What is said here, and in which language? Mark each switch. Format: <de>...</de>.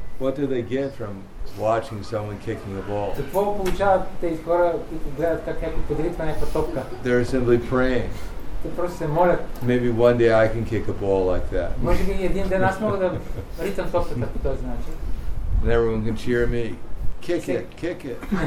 <en>What do they get from watching someone kicking a ball?</en> <bg>Какво получават тези хора, които гледат как някой подритва някаква топка?</bg> <en>They're simply praying.</en> <bg>Те просто се молят.</bg> <en>Maybe one day I can kick a ball like that.</en> <bg>Може би един ден аз мога да ритам топката по този начин.</bg> <en>And everyone can cheer me. Kick it, kick it.</en>